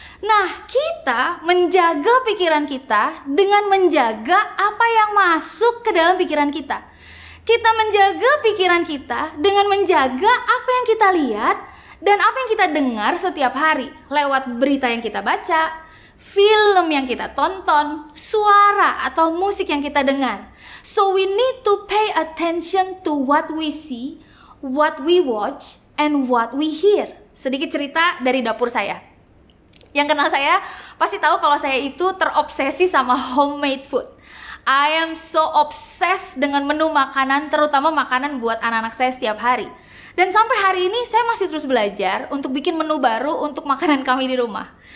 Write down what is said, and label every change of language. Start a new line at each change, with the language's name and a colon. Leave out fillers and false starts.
Indonesian: Nah, kita menjaga pikiran kita dengan menjaga apa yang masuk ke dalam pikiran kita. Kita menjaga pikiran kita dengan menjaga apa yang kita lihat dan apa yang kita dengar setiap hari lewat berita yang kita baca, film yang kita tonton, suara atau musik yang kita dengar.
English: So we need to pay attention to what we see, what we watch, and what we hear.
Indonesian: Sedikit cerita dari dapur saya. Yang kenal saya pasti tahu kalau saya itu terobsesi sama homemade food.
English: I am so obsessed
Indonesian: dengan menu makanan, terutama makanan buat anak-anak saya setiap hari. Dan sampai hari ini saya masih terus belajar untuk bikin menu baru untuk makanan kami di rumah.